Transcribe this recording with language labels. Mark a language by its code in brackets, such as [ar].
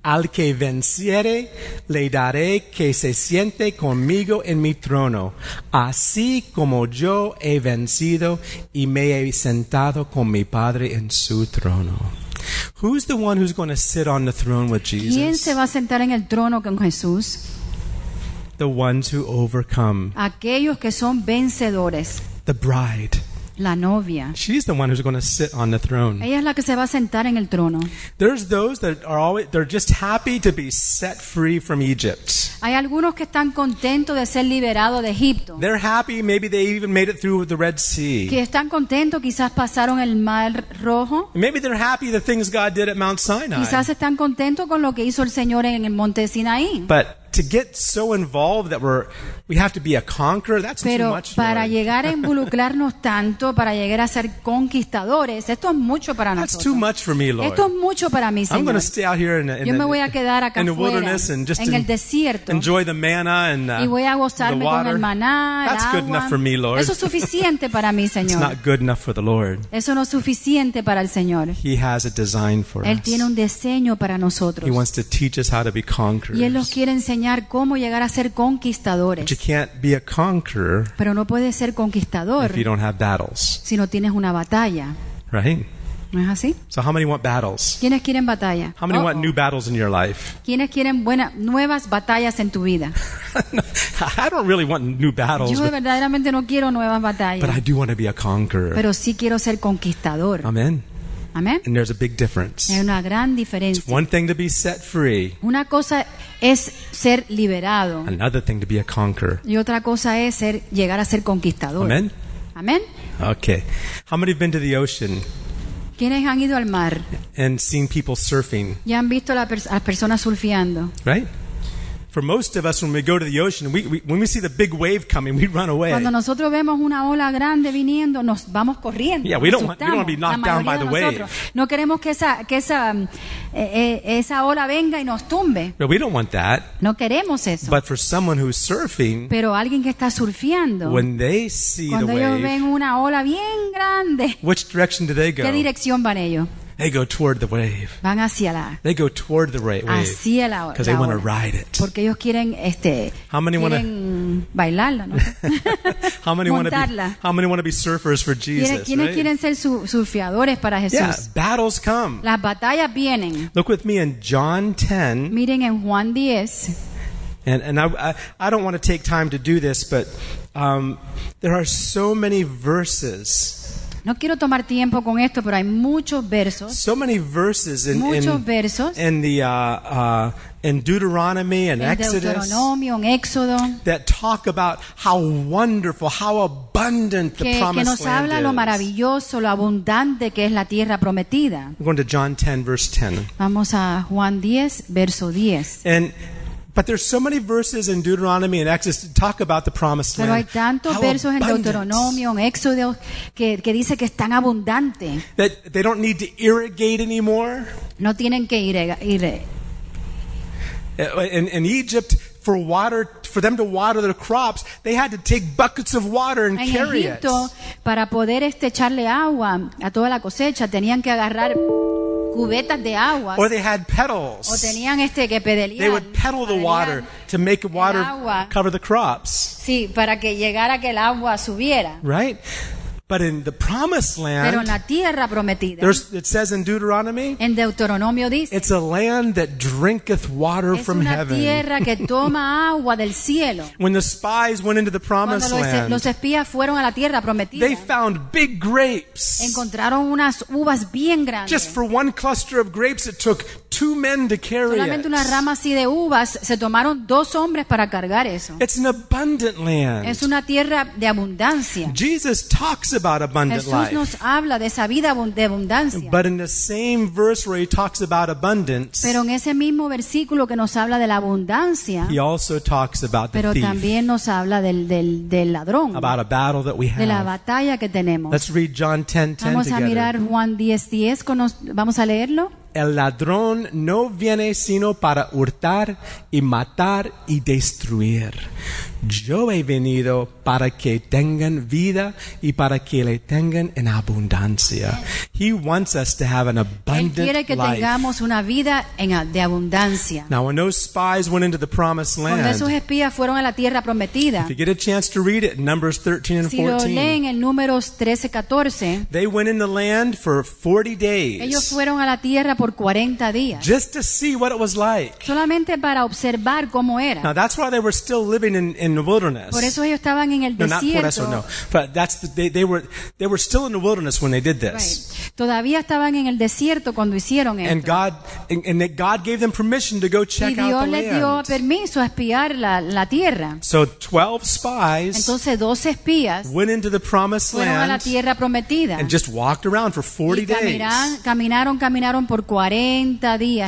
[es] Al que venciere, le daré que se siente conmigo en mi trono, así como yo he vencido y me he sentado con mi Padre en su trono. [en] Who's the one who's going to sit on the throne with Jesus? [es] ¿Quién se va a sentar en el trono con Jesús? [en] The ones who overcome. [es] Aquellos que son vencedores. [en] The bride. [es] La novia. [en] She's the one who's going to sit on the throne. [es] Ella es la que se va a sentar en el trono. [en] There's those that are always, they're just happy to be set free from Egypt. [es] Hay algunos que están contentos de ser liberados de Egipto. [en] They're happy, maybe they even made it through the Red Sea. [es] Que están contentos, quizás pasaron el Mar Rojo. [en] Maybe they're happy the things God did at Mount Sinai. [es] Quizás están contentos con lo que hizo el Señor en el Monte Sinaí. [en] But to get so involved that we have to be a conqueror, that's [es] pero [en] too much. [es] Pero para llegar a involucrarnos tanto, para llegar a ser conquistadores, esto es mucho para [en] that's [es] nosotros. [en] That's too much for me, Lord. [es] Esto es mucho para mí, Señor. [en] I'm going to stay out here in the wilderness and just [es] en el desierto. [en] Enjoy the manna and [es] y voy a gozarme [en] the water. [es] Con el maná, [en] that's [es] el [en] good [es] agua. [en] Enough for me, Lord. [es] Eso es suficiente para mí, Señor. [en] It's not good enough for the Lord. [es] Eso no es suficiente para el Señor. [en] He has a design for [es] él [en] us. [es] Tiene un diseño para nosotros. [en] He wants to teach us how to be conquerors. [es] Y él nos quiere enseñar cómo llegar a ser conquistadores. [en] But you can't be a conqueror [es] pero no puedes ser conquistador [en] if you don't have battles. [es] Si no tienes una batalla. [en] Right? [es] ¿No es así? [en] So how many want battles? [es] ¿Quiénes quieren batalla? [en] How many want new battles in your life? [es] ¿Quiénes quieren nuevas batallas en tu vida? [en] I don't really want new battles. [es] Yo verdaderamente no quiero nuevas batallas. [en] But I do want to be a conqueror. [es] Pero sí quiero ser conquistador. [en] Amen. [es] Amen. [en] And there's a big difference. [es] Hay una gran diferencia. [en] It's one thing to be set free. [es] Una cosa es ser liberado. [en] Another thing to be a conqueror. [es] Y otra cosa es llegar a ser conquistador. [en] Amen. [es] Amen. [en] Okay. How many have been to the ocean? [es] ¿Quiénes han ido al mar? [en] And seen people surfing. [es] Y han visto a las personas surfeando. [en] Right? For most of us, when we go to the ocean, when we see the big wave coming, we run away. [es] Cuando nosotros vemos una ola grande viniendo, nos vamos corriendo. [en] Yeah, we don't want to be knocked down by the wave. [es] No queremos que esa ola venga y nos tumbe. [en] But we don't want that. [es] No queremos eso. [en] But for someone who's surfing, [es] pero alguien que está surfeando, [en] when they see [es] cuando [en] the [es] ellos ven una ola bien grande, [en] which direction do they go? [es] ¿Qué dirección van ellos? [en] They go toward the wave. [es] Van hacia la. [en] They go toward the wave. [es] Hacia la ola. [en] Because they want to ride it. [es] Porque ellos quieren [en] How many want [es] to bailarla, ¿no? [en] How many want to be? How many want to be surfers for Jesus? [es] ¿Quiénes [en] right? [es] quieren ser surfeadores para Jesús? [en] Yeah, battles come. [es] Las batallas vienen. [en] Look with me in John 10. [es] Miren en Juan 10. [en] And I don't want to take time to do this, but there are so many verses. [es] No quiero tomar tiempo con esto, pero hay muchos versos. [en] So many verses in Deuteronomy and Exodus that talk about how wonderful, how abundant the promised land is. [es] Que nos habla lo maravilloso, lo abundante que es la tierra prometida. [en] We're going to John 10, verse 10. [es] Vamos a Juan 10, verso 10. [en] But there's so many verses in Deuteronomy and Exodus to talk about the promised land. [es] Pero hay tantos versos en Deuteronomio, en Éxodo, que dice que es tan abundante. [en] That they don't need to irrigate anymore. [es] No tienen que [en] In Egypt, for water, for them to water their crops, they had to take buckets of water and carry it. [es] Para poder echarle agua a toda la cosecha, tenían que agarrar cubetas de agua. [en] Or they had pedals. [es] O tenían que pedalear. [en] They would pedal the water to make water cover the crops. [es] Sí, para que llegara que el agua subiera. [en] Right? But in the promised land, [es] pero en la tierra prometida, [en] there's, it says in Deuteronomy, [es] en Deuteronomio dice, [en] it's a land that drinketh water [es] es [en] from [es] una [en] heaven. [es] Tierra que toma agua del cielo. [en] When the spies went into the promised [es] land, los espías fueron a la tierra prometida, [en] they found big grapes. [es] Encontraron unas uvas bien grandes. [en] Just for one cluster of grapes, it took two men to carry [es] solamente una rama así de uvas, se tomaron dos hombres para cargar eso. [en] It's an abundant land. [es] Es una tierra de abundancia. [en] Jesus talks about abundant life. [es] Jesús nos habla de esa vida de abundancia. [en] But in the same verse where he talks about abundance, [es] pero en ese mismo versículo que nos habla de la abundancia, [en] he also talks about the [es] pero [en] thief, [es] también nos habla del ladrón, [en] about a battle that we have, [es] de la batalla que tenemos. [en] Let's read John 10:10 [es] together. Vamos a mirar Juan 10:10, vamos a leerlo. El ladrón no viene sino para hurtar y matar y destruir. Yo he venido para que tengan vida y para que le tengan en abundancia. [en] He wants us to have an abundant life. [es] Él quiere que tengamos una vida de abundancia. [en] Now, when those spies went into the promised land, [es] cuando esos espías fueron a la tierra prometida, [en] if you get a chance to read it, Numbers 13 and 14, [es] si lo leen en Números 13, 14, [en] they went in the land for 40 days. [es] Ellos fueron a la tierra por 40 días. [en] Just to see what it was like. [es] Solamente para observar cómo era. [en] Now, that's why they were still living in the wilderness. [es] Por eso ellos estaban en el desierto. [en] No, not [es] por eso, [en] no. But that's they were still in the wilderness when they did this. Right. [es] Todavía estaban en el desierto cuando hicieron esto. [en] And God gave them permission to go check out the land. [es] Y Dios les dio permiso a espiar la tierra. [en] So 12 spies. [es] Entonces 12 espías [en] went into the promised land. [es] Fueron a la tierra prometida. [en] And just walked around for 40 days. [es] Caminaron por 40 días.